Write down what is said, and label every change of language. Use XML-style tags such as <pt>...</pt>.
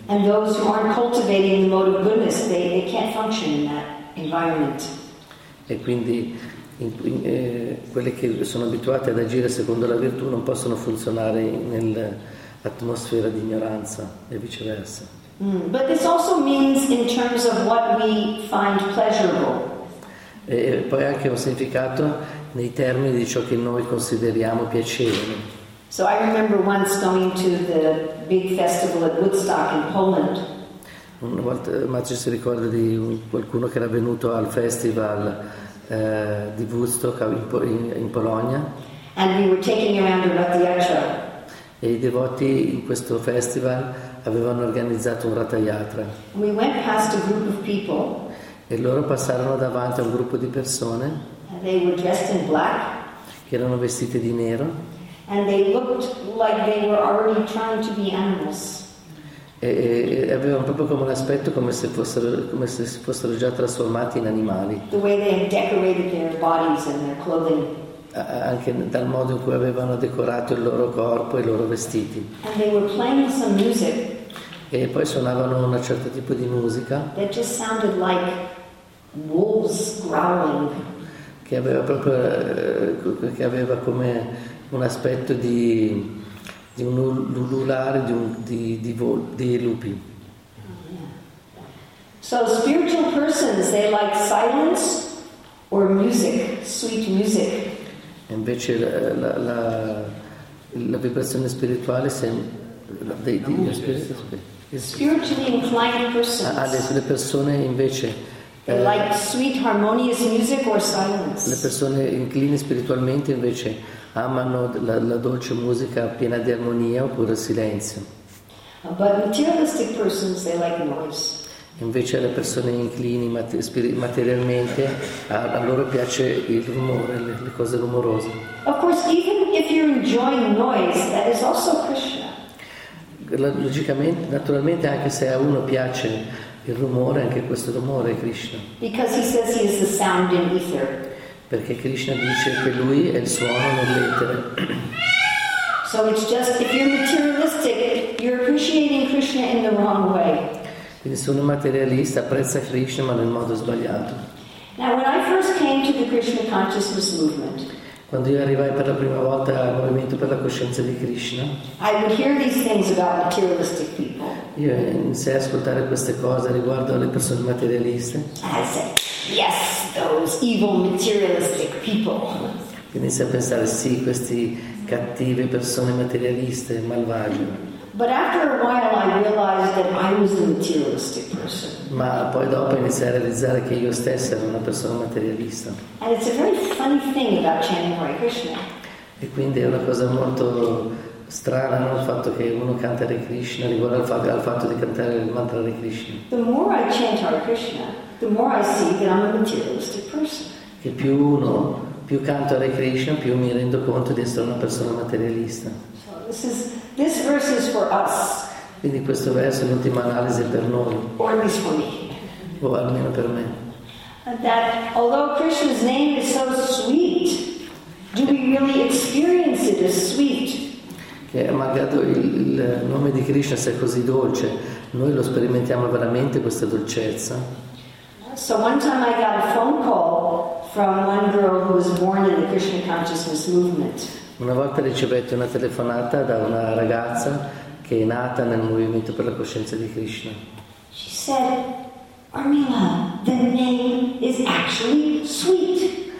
<en>And those who aren't cultivating the mode of goodness, they can't function in that environment.</en> <it>E quindi quelli che sono abituati ad agire secondo la virtù non possono funzionare nell'atmosfera di ignoranza e viceversa.</it> <en>But this also means in terms of what we find pleasurable.</en> <it>E poi anche un significato nei termini di ciò che noi consideriamo piacevole.</it> <en>So I remember once going to the big festival at Woodstock in Poland.</en> <it>Una volta Maggio si ricorda di qualcuno che era venuto al festival di Woodstock in Polonia.</it> <en>And we were taking around the Yatra.</en> <it>E i devoti in questo festival avevano organizzato un Ratha Yatra.</it> <en>We went past a group of people.</en> <it>E loro passarono davanti a un gruppo di persone.</it> <en>And they were dressed in black.</en> <it>Che erano vestite di nero.</it> <en>And they looked like they were already trying to be animals.</en> <it>E avevano proprio come l'aspetto come se si fossero già trasformati in animali.</it> <en>The way they had decorated their bodies and their clothing.</en> <it>Anche dal modo in cui avevano decorato il loro corpo e i loro vestiti.</it> <en>And they were playing some music.</en> <it>E poi suonavano un certo tipo di musica.</it> <en>That just sounded like wolves growling.</en> <it>Che aveva proprio che aveva come un aspetto di un ululare di lupi.</it> <en>So spiritual persons, they like silence or music, sweet music.</en> <it>Invece la vibrazione spirituale</it> <en>spiritually inclined persons.</en> <it>Le persone invece</it> <en>they like sweet harmonious music or silence.</en> <it>Le persone incline spiritualmente invece amano la dolce musica piena di armonia oppure silenzio.</it> <en>But materialistic persons they like noise.</en> <it>Invece le persone inclini materialmente a loro piace il rumore, le cose rumorose.</it> <en>Of course, even if you enjoy noise, that is also Krishna.</en> <it>Logicamente, naturalmente, anche se a uno piace il rumore, anche questo rumore è Krishna.</it> <en>Because he says he is the sound in ether.</en> <it>Perché Krishna dice che lui è il suono nell'etere.</it> <en>So it's just if you're materialistic, you're appreciating Krishna in the wrong way.</en> <it>Quindi se uno è materialista apprezza Krishna ma nel modo sbagliato.</it> <en>Now, when I first came to the Krishna consciousness movement,</en> <it>quando io arrivai per la prima volta al movimento per la coscienza di Krishna,</it> <en>I would hear these things about materialistic people.</en> <it>Io iniziai a ascoltare queste cose riguardo alle persone materialiste.</it> <en>I said, yes, those evil materialistic people.</en> <it>Quindi iniziai a pensare, sì, queste cattive persone materialiste, malvagie.</it> <en>But after a while I realized that I was a materialistic person.</en> <it>Ma poi dopo iniziai a realizzare che io stessa ero una persona materialista.</it> <en>And it's a very funny thing about chanting Hare Krishna.</en> <it>E quindi è una cosa molto strana, no? Il fatto che uno canta Hare Krishna riguardo al fatto di cantare il mantra Hare Krishna.</it> <en>The more I chant Hare Krishna, the more I see that I'm a materialistic person.</en> <it>Che più uno più canto Hare Krishna, più mi rendo conto di essere una persona materialista.</it> <en>This verse is for us.</en> <it>Quindi questo verso è l'ultima analisi per noi.</it> <en>Or at least for me.</en> <it>O almeno per me.</it> <en>That although Krishna's name is so sweet, do we really experience it as sweet?</en> <it>Che malgrado il nome di Krishna sia così dolce, noi lo sperimentiamo veramente questa dolcezza?</it> <en>So one time I got a phone call from one girl who was born in the Krishna consciousness movement.</en> <it>Una volta ricevetti una telefonata da una ragazza che è nata nel movimento per la coscienza di Krishna.</it> <en>She said, "Urmila, the name is actually sweet."</en>